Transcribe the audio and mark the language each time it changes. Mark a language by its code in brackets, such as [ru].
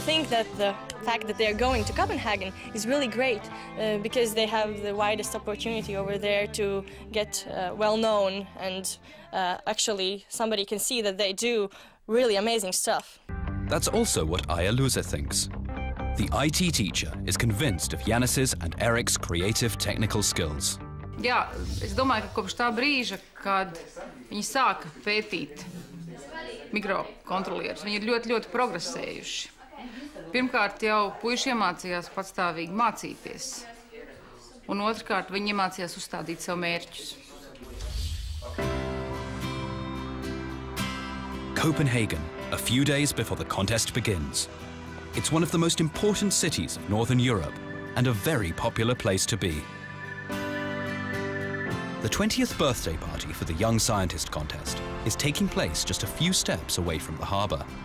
[en] That the fact that they are going to Copenhagen is really great because they have the widest opportunity over there to get well known, and actually somebody can see that they do really amazing stuff. That's also what Aya Luza thinks. The IT teacher is convinced of Janis's and Eric's creative technical skills. [lv] Yeah, es domāju, ka kopš tā brīža, kad viņi sāka pētīt mikrokontrolierus, viņi ir ļoti, ļoti progresējuši. Pirmkārt, jau puiši iemācījās patstāvīgi mācīties. Un otrkārt, viņi iemācījās uzstādīt savu mērķus. [en] Copenhagen, a few days before the contest begins. It's one of the most important cities of Northern Europe and a very popular place to be. The 20th birthday party for the Young Scientist contest is taking place just a few steps away from the harbour.